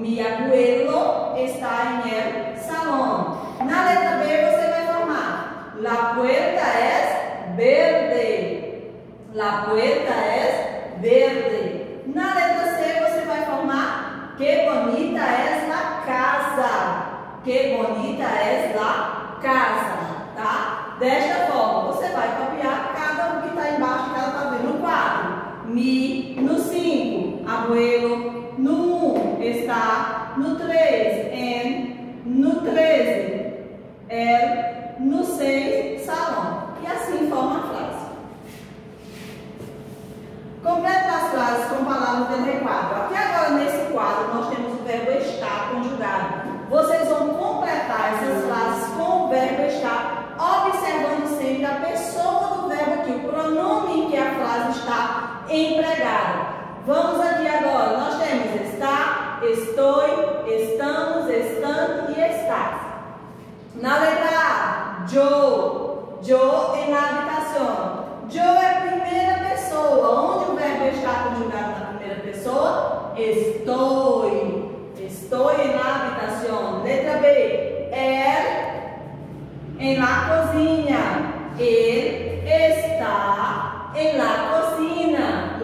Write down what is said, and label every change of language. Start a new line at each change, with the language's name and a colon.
Spanish: Mi abuelo está en el salón.
Portuguese: Na letra B você vai formar:
Spanish: La puerta es verde. La puerta es verde.
Portuguese: Na letra C você vai formar:
Spanish: Que bonita es la casa.
Portuguese: Que bonita é a casa, tá? Desta forma, você vai copiar cada um que está embaixo, que ela está vendo no quadro.
Spanish: Mi, no 5, abuelo, no 1, está, no 3, en, no 13, el, no 6, salão.
Portuguese: E assim forma a frase. Completa as frases com palavras dentro do quadro. Aqui agora, nesse quadro, nós temos o verbo estar conjugado. Vocês vão completar essas frases com o verbo estar, observando sempre a pessoa do verbo aqui, o pronome em que a frase está empregada. Vamos aqui agora, nós temos está, estou, estamos, estando e está. Na letra A,
Spanish: yo, yo en la habitación.
Portuguese: Yo é a primeira pessoa, onde o verbo está conjugado na primeira pessoa? Estou. Estou
Spanish: en la habitación. Letra B. Él en la cocina. Él está en la cocina.